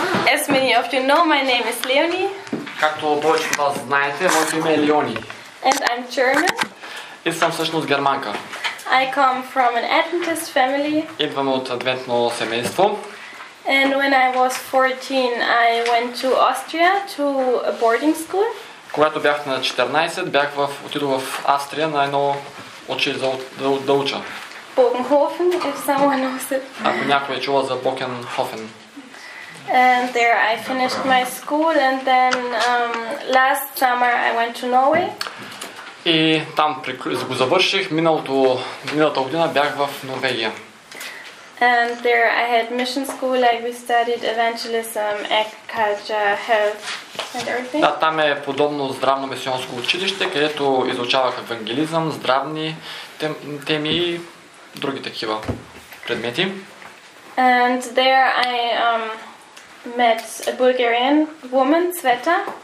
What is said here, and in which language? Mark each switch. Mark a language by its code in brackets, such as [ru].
[en] As many of you know, my name is Leonie. [bg] Както повече от вас знаете, моето име е Леони. [en] And I'm German. [bg] И съм всъщност германка. [en] I come from an Adventist family. [bg] Идвам от адвентно семейство. [en] And when I was 14, I went to Austria to a boarding school. [bg] Когато бях на 14, отидох в Австрия на едно училище да уча. [en] Bogenhofen, if someone knows it. [bg] Ако някой е чула за Bogenhofen. [en] And there I finished my school and then last summer I went to Norway. [bg] И там го завърших. Миналата година бях в Норвегия. [en] And there I had mission school, like we studied evangelism, agriculture, health and everything. [bg] Да, там е подобно здравно мисионско училище, където изучавах евангелизъм, здравни теми и други такива предмети. [en] And there I met a Bulgarian woman, Sveta.